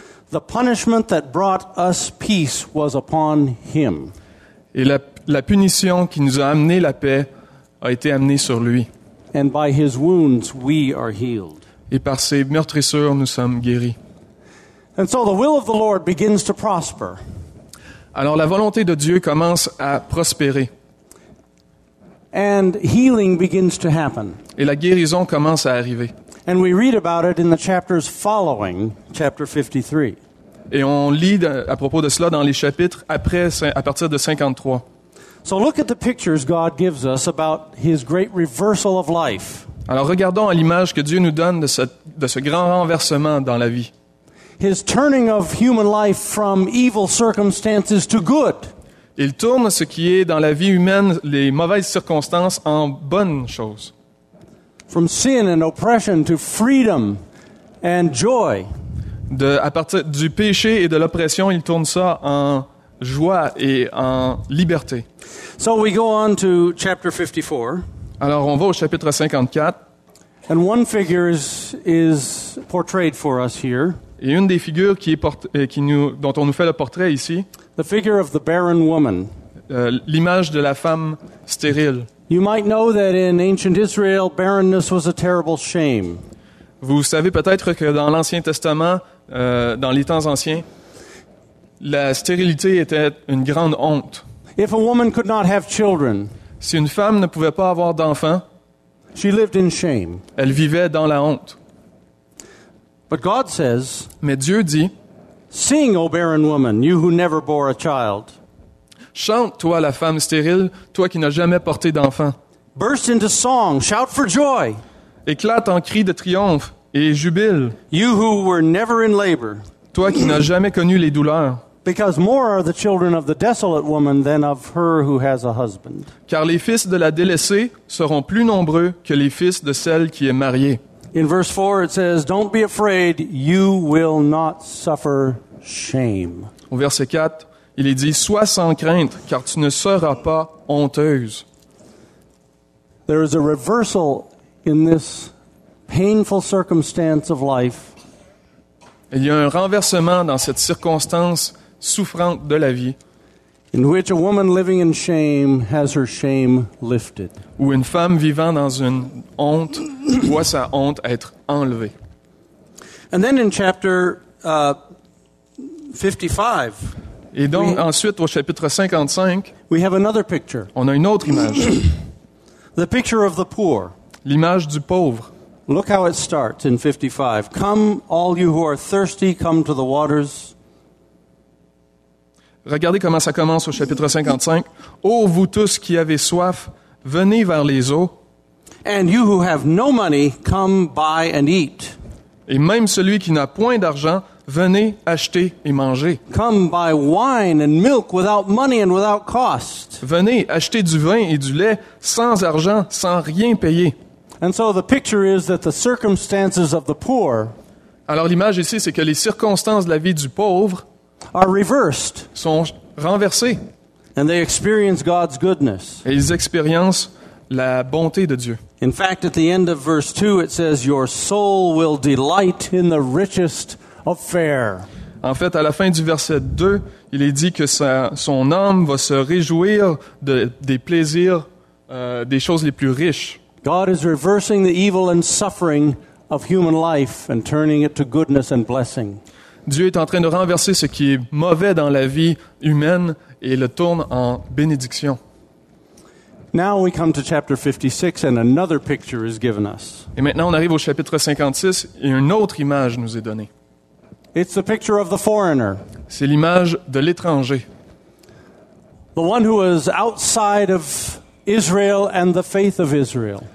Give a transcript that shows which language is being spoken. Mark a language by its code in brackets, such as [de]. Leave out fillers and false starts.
[en] The punishment that brought us peace was upon him. [fr] Et la punition qui nous a amené la paix a été amenée sur lui. [en] And by his wounds we are healed. [fr] Et par ses meurtrissures nous sommes guéris. [en] And so the will of the Lord begins to prosper. [fr] Alors la volonté de Dieu commence à prospérer. [en] And healing begins to happen. [fr] Et la guérison commence à arriver. [en] And we read about it in the chapters following chapter 53. [fr] Et on lit à propos de cela dans les chapitres après, à partir de 53. [en] So look at the pictures God gives us about his great reversal of life. [fr] Alors regardons à l'image que Dieu nous donne de ce grand renversement dans la vie. [en] His turning of human life from evil circumstances to good. [fr] Il tourne ce qui est dans la vie humaine, les mauvaises circonstances, en bonnes choses. [en] From sin and oppression to freedom and joy. [fr] À partir du péché et de l'oppression, il tourne ça en joie et en liberté. [en] So we go on to chapter 54. [fr] Alors on va au chapitre 54. [en] And one figure is portrayed for us here. [fr] Et une des figures dont on nous fait le portrait ici. [en] The figure of the barren woman. [fr] L'image de la femme stérile. [en] You might know that in ancient Israel, barrenness was a terrible shame. [fr] Vous savez peut-être que dans l'Ancien Testament, dans les temps anciens, la stérilité était une grande honte. [en] If a woman could not have children, [fr] si une femme ne pouvait pas avoir d'enfants, [en] she lived in shame. [fr] Elle vivait dans la honte. [en] But God says, [fr] mais Dieu dit, [en] sing, O barren woman, you who never bore a child. [fr] Chante, toi, la femme stérile, toi qui n'as jamais porté d'enfant. [en] Burst into song, shout for joy. [fr] Éclate en cri de triomphe et jubile. [en] You who were never in labor. [fr] Toi qui n'as jamais connu les douleurs. [en] Because more are the children of the desolate woman than of her who has a husband. [fr] Car les fils de la délaissée seront plus nombreux que les fils de celle qui est mariée. [en] In verse 4 it says, don't be afraid, you will not suffer shame. [fr] Au verset 4, il est dit, sois sans crainte, car tu ne seras pas honteuse. [en] There is a reversal in this painful circumstance of life. [fr] Il y a un renversement dans cette circonstance souffrante de la vie. [en] In which a woman living in shame has her shame lifted. [fr] Où une femme vivant dans une honte voit sa honte être enlevée. [en] And then in chapter 55. [fr] Et donc ensuite au chapitre 55. [en] We have another picture. [fr] On a une autre image. [en] The picture of the poor. [fr] L'image du pauvre. [en] Look how it starts in 55. Come all you who are thirsty, come to the waters. [fr] Regardez comment ça commence au chapitre 55. Ô vous tous qui avez soif, venez vers les eaux. [en] And you who have no money, come buy and eat. [fr] Et même celui qui n'a point d'argent, venez acheter et manger. [en] Come buy wine and milk without money and without cost. [fr] Venez acheter du vin et du lait sans argent, sans rien payer. [en] And so the picture is that the circumstances of the poor. [fr] Alors l'image ici, c'est que les circonstances de la vie du pauvre [en] are reversed. [fr] Sont renversées. [en] And they experience God's goodness. [fr] Et ils expérimentent la bonté de Dieu. [en] In fact, at the end of verse 2, it says, "Your soul will delight in the richest of fare." [fr] En fait, à la fin du verset 2, il est dit que son âme va se réjouir des plaisirs, des choses les plus riches. [en] God is reversing the evil and suffering of human life and turning it to goodness and blessing. [fr] Dieu est en train de renverser ce qui est mauvais dans la vie humaine et le tourne en bénédiction. [en] Now we come to chapter 56 and another picture is given us. [fr] Et maintenant on arrive au chapitre 56 et une autre image nous est donnée. [en] It's the picture of the foreigner. [fr] C'est l'image de l'étranger. [en] The one who is outside of Israel and the faith of Israel.